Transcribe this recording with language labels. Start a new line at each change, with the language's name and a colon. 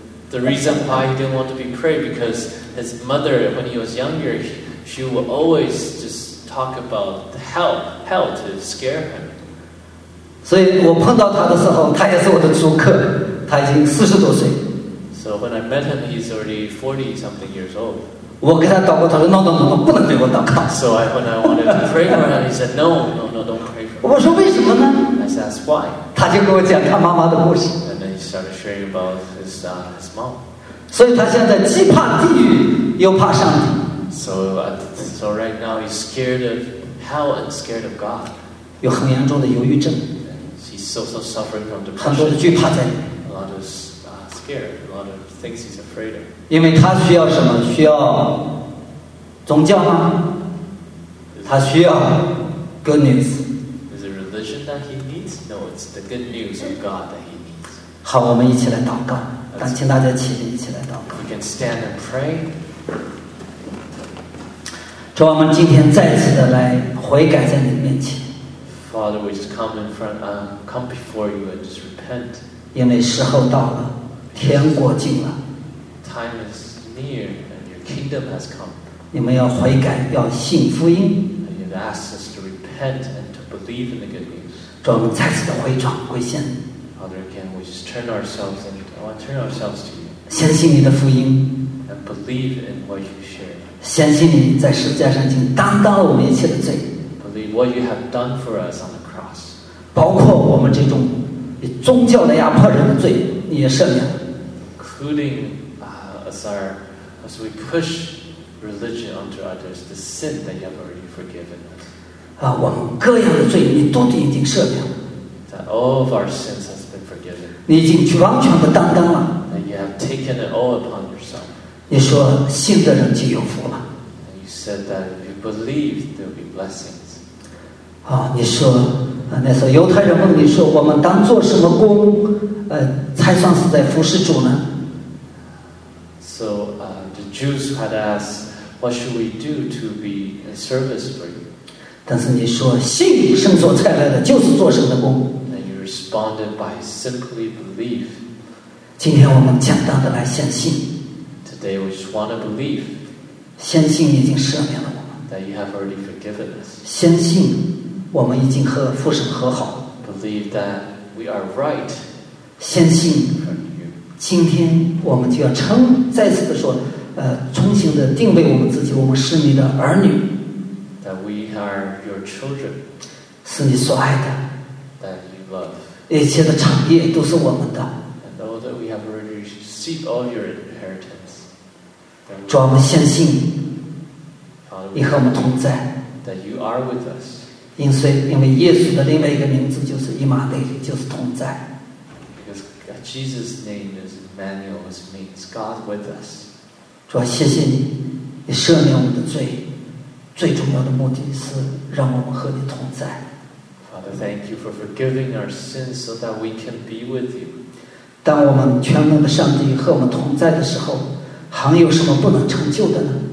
English: The reason why he didn't want to be prayed because his mother when he was younger, she would always just talk about hell to scare him.
Chinese: 所以我碰到他的时候，他也是我的租客。他已经四十多岁。
English: So when I met him, he's already 40 something years old.
Chinese: 我给他祷告，他说 No, 不能给我祷告。
English: So when I wanted to pray for him, he said No, don't pray for him.
Chinese: 我说为什么呢？
English: I said why?
Chinese: 他就跟我讲他妈妈的故事。
English: And then he started sharing about his mom.
Chinese: 所以他现在既怕地狱又怕上帝。
English: So right now he's scared of hell and scared of God.
Chinese: 有很严重的忧郁症。
English: He's also suffering from depression.
Chinese: 很多的惧怕在里面。
English: A lot of scared, a lot of things he's afraid of.
Chinese: 因为他需要什么？需要宗教吗？他需要
English: good news. Is it religion that he needs? No, it's the good news of God that he needs.
Chinese: 好，我们一起来祷告。但请大家起立，一起来祷告。
English: We can stand and pray.
Chinese: 主，我们今天再次的来悔改在你面前。
English: Father, we just come in front, come before you and just repent.
Chinese: 因为时候到了，天国近了。
English: Time is near and your kingdom has come.
Chinese: 你们要悔改，要信福音。
English: And you've asked us to repent and to believe in the good news.
Chinese: 主，我们再次的回转归向。
English: Father, again, we just turn ourselves and turn ourselves to you.
Chinese: 相信你的福音。
English: And believe in what you shared.
Chinese: 相信你在十字架上已经担当了我们一切的罪。
English: What you have done for us on the cross,
Chinese: 包括我们这种以宗教来压迫人的罪，你也赦免了。
English: Including as we push religion onto others, the sin that you have already forgiven us.
Chinese: 啊，我们各样的罪，你都已经赦免了。
English: That all of our sins has been forgiven.
Chinese: 你已经完全的担当了。
English: That you have taken it all upon yourself.
Chinese: 你说信的人就有福了。
English: And you said that if you believe, there will be blessing.
Chinese: 你说那时候犹太人问你说我们当做什么功才算是在服侍主呢
English: So, the Jews had asked, what should we do to be in service for you?
Chinese: 但是你说信圣所差来的就是做神的功
English: And you responded by simply believe.
Chinese: 今天我们简单的来相信
English: Today we just want to believe.
Chinese: 相信已经赦免了我们
English: That you have already forgiven us.
Chinese: 相信我们已经和父神和好
English: Believe that we are right.
Chinese: 相信今天我们就要称再次的说重新的定位我们自己我们是你的儿女
English: That we are your children.
Chinese: 是你所爱的
English: That you love.
Chinese: 一切的产业都是我们的
English: And all that we have already received all your inheritance.
Chinese: 主我们相信你和我们同在
English: That you are with us.
Chinese: 因为耶稣的另外一个名字就是以马内利，就是同在。
English: Because Jesus' name is Emmanuel, which means God with us.
Chinese: 主啊，谢谢你，你赦免我们的罪，最重要的目的是让我们和你同在。
English: Father, thank you for forgiving our sins so that we can be with you.
Chinese: 当我们全能的上帝和我们同在的时候，还有什么不能成就的呢